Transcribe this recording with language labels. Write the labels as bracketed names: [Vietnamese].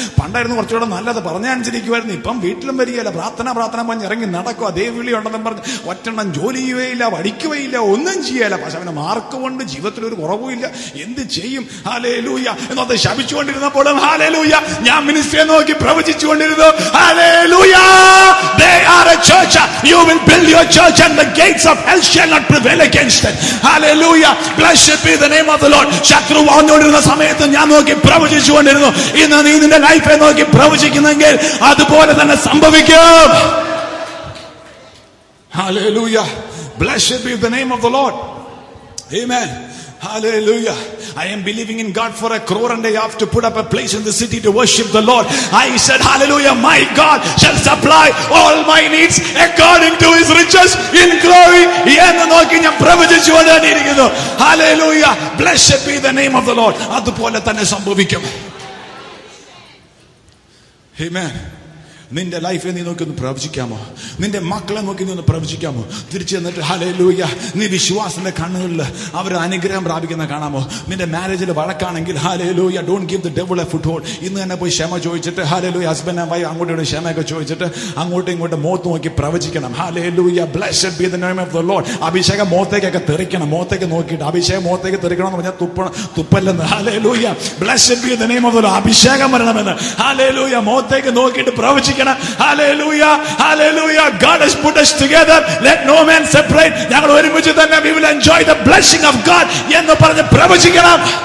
[Malayalam] പണ്ടായിരുന്നു കുറച്ചുകൂടെ നല്ലത്, പറഞ്ഞനുസരിക്കുമായിരുന്നു. ഇപ്പം വീട്ടിലും വരികയല്ല, പ്രാർത്ഥന പ്രാർത്ഥന പറഞ്ഞ് ഇറങ്ങി നടക്കുക, ദേവവിളി ഉണ്ടെന്നും പറഞ്ഞ് ഒറ്റണ്ണം ജോലി ചെയ്യുകയില്ല, വടിക്കുകയില്ല, ഒന്നും ചെയ്യല. പക്ഷെ അവന് മാർക്ക് കൊണ്ട് ജീവിതത്തിൽ ഒരു കുറവും ഇല്ല, എന്ത് ചെയ്യും? ഹല്ലേലൂയ എന്നത് ശപിച്ചുകൊണ്ടിരുന്നപ്പോഴും ഹല്ലേലൂയ ഞാൻ മിനിസ്റ്ററി നോക്കി പ്രവചിച്ചുകൊണ്ടിരുന്നു. [English] Hallelujah. They are a church. You will build your church and the gates of hell shall not prevail against it. Hallelujah. Blessed be the name of the Lord. [Malayalam] ശത്രു വന്നുകൊണ്ടിരുന്ന സമയത്ത് ഞാൻ നോക്കി പ്രവചിച്ചുകൊണ്ടിരുന്നു. ഇന്ന് നീ നിന്റെ ലൈഫെ നോക്കി പ്രവചിക്കുന്നെങ്കിൽ അതുപോലെ തന്നെ സംഭവിക്കും. [English] Hallelujah. Blessed be the name of the Lord. Amen. Hallelujah. I am believing in God for a crore and a half to put up a place in the city to worship the Lord. I said, Hallelujah, my God shall supply all my needs according to his riches in glory. [Malayalam] എന്ന് നോക്കി ഞാൻ പ്രവചിച്ചു കൊണ്ടിരിക്കുന്നു. [English] Hallelujah. Blessed be the name of the Lord. [Malayalam] അതുപോലെ തന്നെ സംഭവിക്കും. [English] Amen. [Malayalam] നിന്റെ ലൈഫിനെ നീ നോക്കി ഒന്ന് പ്രവചിക്കാമോ? നിന്റെ മക്കളെ നോക്കി നീ ഒന്ന് പ്രവചിക്കാമോ? തിരിച്ചു തന്നിട്ട് ഹല്ലേലൂയ നീ വിശ്വാസത്തിന്റെ കണ്ണുകളിൽ അവർ അനുഗ്രഹം പ്രാപിക്കുന്ന കാണാമോ? നിന്റെ മാരേജിൽ വഴക്കാണെങ്കിൽ hallelujah [English] Don't give the devil a foothold. [Malayalam] ഇന്ന് തന്നെ പോയി ക്ഷമ ചോദിച്ചിട്ട് ഹല്ലേലൂയ [English] husband and wife [Malayalam] അങ്ങോട്ടും ക്ഷമയൊക്കെ ചോദിച്ചിട്ട് അങ്ങോട്ടും ഇങ്ങോട്ടും മോത്ത് നോക്കി പ്രവചിക്കണം. [English] Hallelujah blessed be the name of the Lord. [Malayalam] അഭിഷേകം മോത്തേക്കൊക്കെ തെറിക്കണം. മോത്തേക്ക് നോക്കിയിട്ട് അഭിഷേകം മോത്തേക്ക് തെറിക്കണം എന്ന് പറഞ്ഞാൽ തുപ്പണം തുപ്പല്ലെന്ന്. [English] Hallelujah blessed be the name of the Lord. [Malayalam] അഭിഷേകം വരണമെന്ന്. ഹല്ലേലൂയ മോത്തേക്ക് നോക്കിയിട്ട് പ്രവചിക്കണം. [English] Hallelujah, hallelujah. God has put us together, let no man separate. [Malayalam] ഞങ്ങൾ ഒരുമിച്ച് തന്നെ [English] we will enjoy the blessing of God [Malayalam] എന്ന് പറഞ്ഞു പ്രവചിക്കണം.